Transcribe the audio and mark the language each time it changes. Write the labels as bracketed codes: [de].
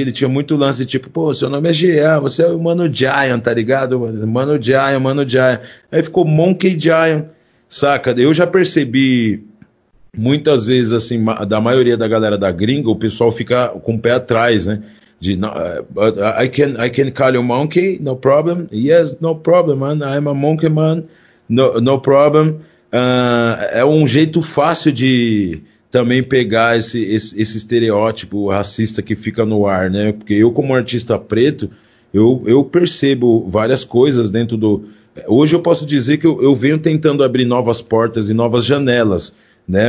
[pt] Ele tinha muito lance de tipo, pô, seu nome é Giant, você é o mano Giant, tá ligado? Mano Giant. Aí ficou Monkey Giant, saca? Eu já percebi muitas vezes, assim, da maioria da galera da gringa, o pessoal fica com o pé atrás, né? [en] de, but I can call you monkey, no problem. Yes, no problem, man. I'm a monkey, man. No problem. [pt] É um jeito fácil de também pegar esse estereótipo racista que fica no ar, né? Porque eu, como artista preto, eu percebo várias coisas dentro do... Hoje eu posso dizer que eu venho tentando abrir novas portas e novas janelas, né?